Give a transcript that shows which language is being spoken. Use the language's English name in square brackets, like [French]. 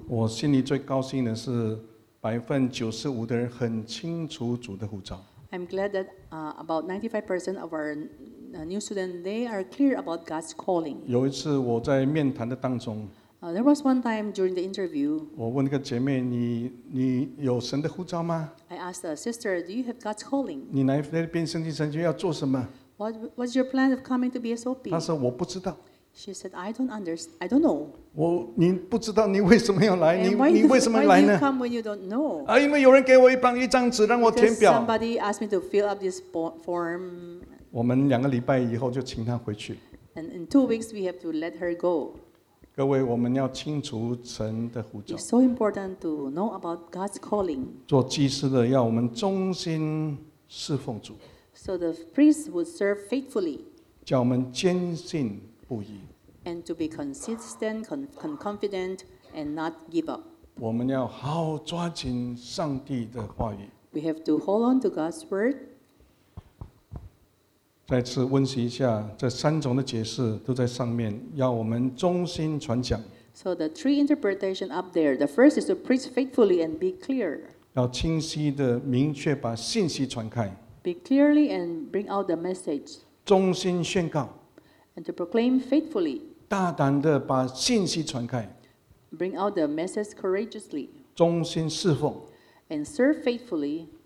[Chinese] 我心里最高兴的是95%的人很清楚主的呼召。 [English] I'm glad that about 95% of our new students, they are clear about God's calling. [Chinese] 有一次我在面谈的当中。 [English] There was one time during the interview. [Chinese] 我问一个姐妹，你有神的呼召吗 [English] ？I asked a sister, do you have God's calling? [Chinese] 你来那边圣经神学要做什么 [English] ？What's your plan of coming to BSOP? [Chinese] 她说我不知道。 [English] She said, I don't understand. I don't know. [Chinese] 我你不知道你为什么要来？你为什么来呢 [English] ？Why do you come when you don't know? [Chinese] 啊，因为有人给我一张纸让我填表。 [English] Because somebody asked me to fill up this form. [Chinese] 我们两个礼拜以后就请她回去。 [English] And in 2 weeks we have to let her go. [Chinese] 各位，我们要清楚神的呼召。 [English] It's so important to know about God's calling. [Chinese] 做祭司的要我们忠心侍奉主。 [English] So the priest would serve faithfully. [Chinese] 叫我们坚信。 [English] And to be consistent, confident, and not give up. [Chinese] 我们要好抓紧上帝的话语。 [English] We have to hold on to God's word. [Chinese] 再次温习一下，这三种的解释都在上面，要我们忠心传讲。 [English] So the three interpretations up there. The first is to preach faithfully and be clear. [Chinese] 要清晰的、明确把信息传开。 [English] Be clearly and bring out the message. [Chinese] 忠心宣告。 [English] And to proclaim faithfully. [Chinese] 大胆地把信息传开。 [English] Bring out the message courageously. [Chinese] 忠心侍奉。 [English] And serve faithfully.